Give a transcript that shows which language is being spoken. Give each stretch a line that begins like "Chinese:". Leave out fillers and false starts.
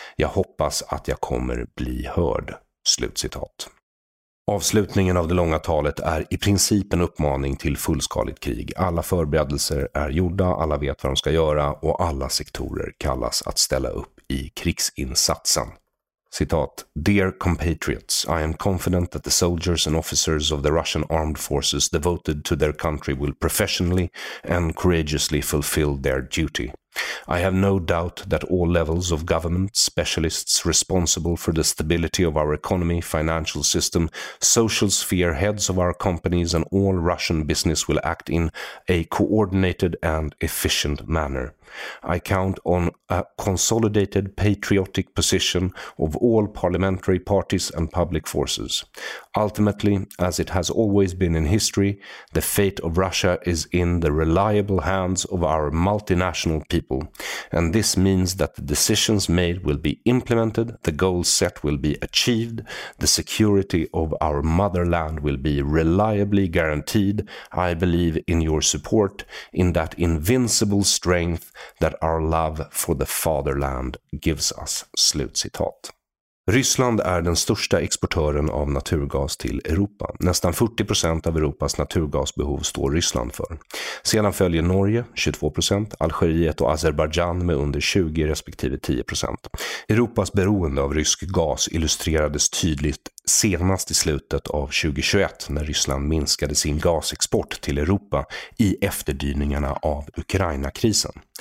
Swedish: Jag hoppas att jag kommer bli hörd. Slutcitat. Avslutningen av det långa talet är i princip en uppmaning till fullskaligt krig. Alla förberedelser är gjorda, alla vet vad de ska göra och alla sektorer kallas att ställa upp i krigsinsatsen. Citat.
English: Dear compatriots, I am confident that the soldiers and officers of the Russian armed forces devoted to their country will professionally and courageously fulfill their duty. I have no doubt that all levels of government, specialists responsible for the stability of our economy, financial system, social sphere, heads of our companies and all Russian business will act in a coordinated and efficient manner. I count on a consolidated patriotic position of all parliamentary parties and public forces. Ultimately, as it has always been in history, the fate of Russia is in the reliable hands of our multinational people. And this means that the decisions made will be implemented, the goals set will be achieved, the security of our motherland will be reliably guaranteed. I believe in your support, in that invincible strength that our love for the fatherland gives us.
Swedish: Slutcitat. Ryssland är den största exportören av naturgas till Europa. Nästan 40% av Europas naturgasbehov står Ryssland för. Sedan följer Norge, 22%, Algeriet och Azerbaijan med under 20 respektive 10%. Europas beroende av rysk gas illustrerades tydligt senast i slutet av 2021 när Ryssland minskade sin gasexport till Europa i efterdyningarna av Ukraina-krisen.